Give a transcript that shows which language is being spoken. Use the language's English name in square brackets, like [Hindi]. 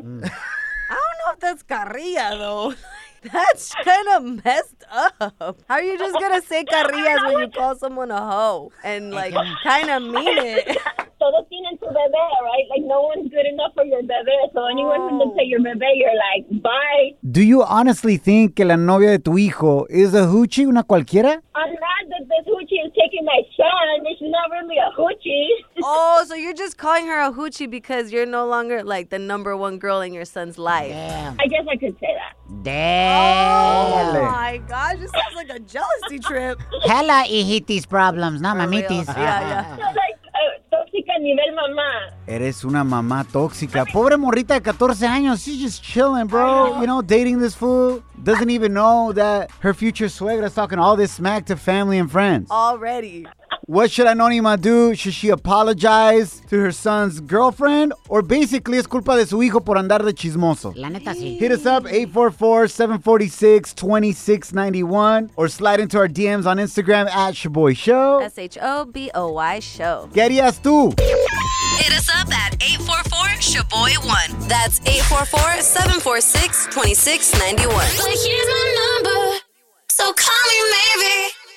[English] I don't know if that's carrilla, though. That's kind of messed up. How are you just going to say carrillas when you call someone a hoe and, like, kind of mean it? [Spanish] Todos tienen su bebé, right? [English] Like, no one's good enough for your bebé. So anyone who looks at your bebé, you're like, bye. Do you honestly think [Spanish] que la novia de tu hijo [English] is a hoochie, [Spanish] una cualquiera? [English] I'm mad that this hoochie is taking my son. She's not really a hoochie. Oh, so you're just calling her a hoochie because you're no longer, like, the number one girl in your son's life. Damn. I guess I could say that. Damn. Oh my gosh, this sounds like a jealousy trip. Hella hijitis problems, not mamitis. Yeah, yeah. [Spanish] Like, tóxica nivel mamá. Eres una mamá tóxica. Pobre morrita de 14 años. [English] She's just chilling, bro. You know, dating this fool. Doesn't even know that her future suegra is talking all this smack to family and friends. Already. What should Anonima do? Should she apologize to her son's girlfriend? Or basically, [Spanish] es culpa de su hijo por andar de chismoso. La neta, sí. [English] Hit us up, 844-746-2691. Or slide into our DMs on Instagram, at Shaboy Show. S-H-O-B-O-Y Show. [Spanish] ¿Qué harías tú? [English] Hit us up at 844-SHABOY1. That's 844-746-2691. But here's my number, so call me maybe.